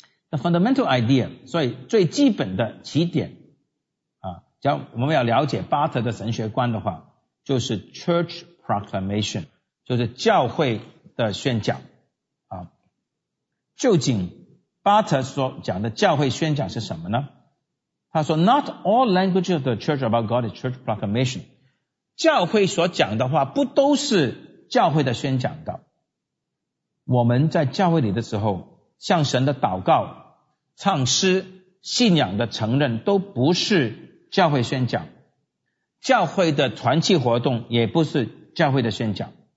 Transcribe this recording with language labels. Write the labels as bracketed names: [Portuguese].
[English] The fundamental idea, [Chinese] 所以最基本的起点只要我们要了解巴特的神学观的话，就是 [English] church proclamation, [Chinese] 就是教会的宣讲。究竟巴特所讲的教会宣讲是什么呢？他说 [English] Not all language of the church about God is church proclamation. [Chinese] 教会所讲的话不都是教会的宣讲的。我们在教会里的时候向神的祷告、唱诗、信仰的承认都不是教会宣讲。教会的团契活动也不是教会的宣讲。